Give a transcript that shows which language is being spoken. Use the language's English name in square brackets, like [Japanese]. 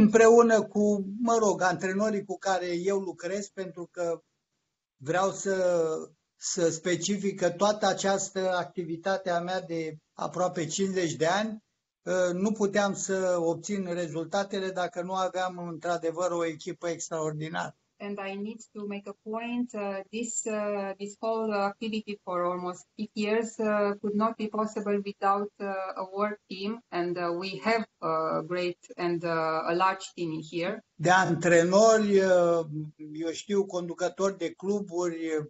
[Romanian] Împreună cu, mă rog, antrenorii cu care eu lucrez, pentru că vreau să specific că toată această activitate a mea de aproape 50 de ani, nu puteam să obțin rezultatele dacă nu aveam într-adevăr o echipă extraordinară. [English] And I need to make a point, this whole activity for almost 8 years could not be possible without a work team, and we have a great and a large team in here. [Romanian] De antrenori, eu știu, conducători de cluburi,